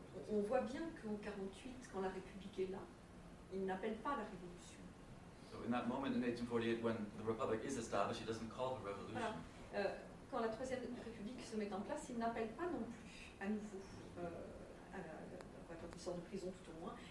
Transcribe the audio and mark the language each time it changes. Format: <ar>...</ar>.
<fr>On voit bien qu'en 48, quand la République est là, il n'appelle pas la révolution.</fr> <en>So in that moment in 1848, when the Republic is established, he doesn't call the revolution.</en> <fr>Voilà. Quand la Troisième République se met en place, il n'appelle pas non plus à nouveau quand il sort de prison, tout au moins.</fr>